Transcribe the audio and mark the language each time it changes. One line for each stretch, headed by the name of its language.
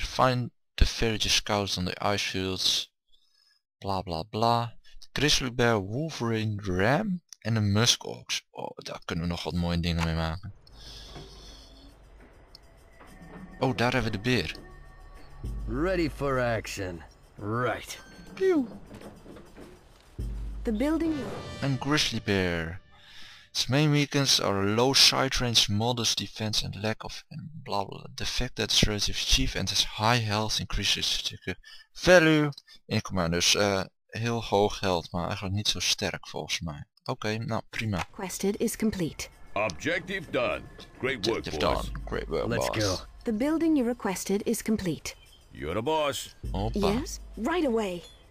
English: Find the village scouts on the ice fields. Bla bla bla. Grizzly bear, wolverine, ram en een musk ox.
Dutch: Oh, daar kunnen we nog wat mooie dingen mee maken. Oh, daar hebben we de beer.
English: Ready for action. Right. Pew. The building. And grizzly bear. Its main weakness are low sight range, modest defense and lack of and blah blah. The fact that it's relatively cheap and has high health increases the value in command.
Dutch: Dus heel hoog health, maar eigenlijk niet zo sterk volgens mij. Okay, nou prima.
English: Quested is complete. Objective done. Great work, boys. Done. Great work, boss. Let's go. The building you requested is complete. You're the boss. Opa. Yes, right away.